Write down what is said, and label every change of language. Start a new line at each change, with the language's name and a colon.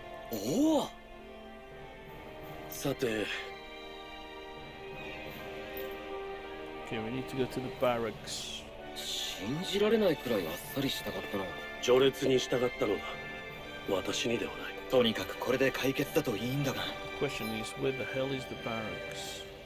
Japanese: おお。さて。
English: Okay, we need to go to the barracks.
Japanese: 信じられないくらいあっさりしたかったな。序列に従ったのは私にではない。とにかくこれで解決だといいんだが。
English: Question is, where the hell is the barracks?